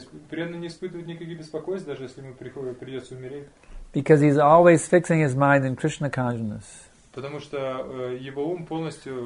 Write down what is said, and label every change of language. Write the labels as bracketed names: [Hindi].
[Russian] Преданный не испытывает никаких беспокойств, даже если ему придется умереть. [English] Because he's always fixing his mind in Krishna consciousness. [Russian] Потому что его ум полностью.